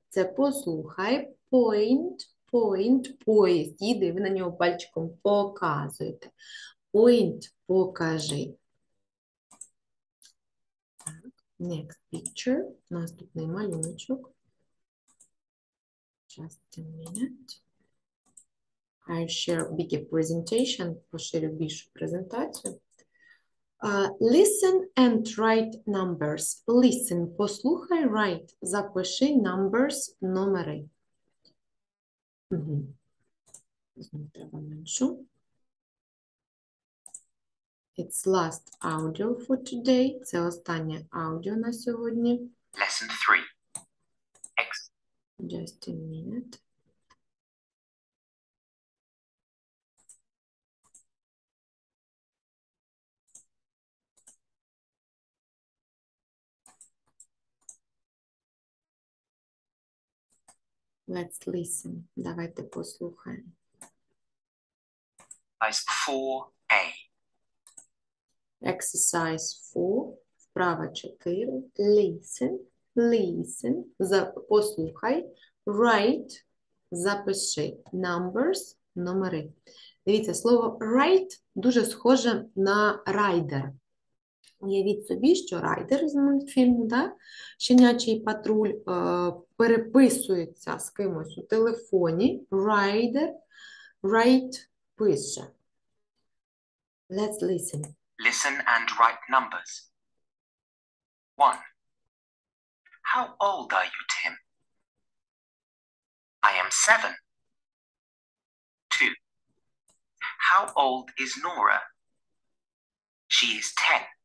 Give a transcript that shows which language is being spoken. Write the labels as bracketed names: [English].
[Ukrainian] Це послухай, point, поїзд. Їде, ви на нього пальчиком показуєте. Point, покажи. [English] Next picture, [Ukrainian] наступний малюночок. [English] Just a minute. I'll share a bigger presentation, [Ukrainian] поширю більшу презентацію. [English] Listen and write numbers. Listen, [Ukrainian] послухай, [English] write, [Ukrainian] запиши [English] numbers, [Ukrainian] номери. Знову треба меншу. [English] It's last audio for today. [Ukrainian] Це останнє аудіо на сьогодні. [English] Lesson 3. Just a minute. Let's listen. [Ukrainian] Давайте послухаємо. [English] Exercise 4A. Exercise 4. [Ukrainian] Вправа 4. [English] Listen. Listen. [Ukrainian] Послухай. [English] Write. [Ukrainian] Запиши. [English] Numbers. [Ukrainian] Номери. Дивіться, слово write дуже схоже на rider. Уявіть собі, що райдер з мультфільму, да? Щенячий патруль переписується з кимось у телефоні. Райдер, write, пише. [English] Let's listen. Listen and write numbers. One. How old are you, Tim? I am 7. Two. How old is Nora? She is 10.